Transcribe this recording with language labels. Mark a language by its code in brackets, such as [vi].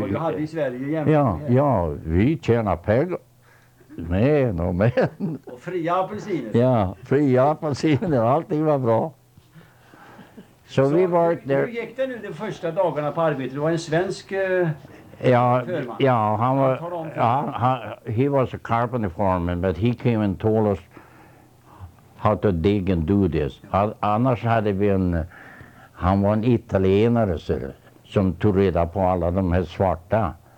[sv] och du hade i Sverige jämfört. Ja, vi tjänar pengar. Men och men. Och fria apelsiner. Ja, fria apelsiner. Allting var bra. [en] So we worked there. [sv] Hur gick det nu de första dagarna på arbetet? Det var en svensk förman. Ja, han var... [en] he was a carpenter foreman, but he came and told us how to dig and do this. [sv] Annars hade vi en... Han var en italienare, så, som tog reda på alla de här svarta.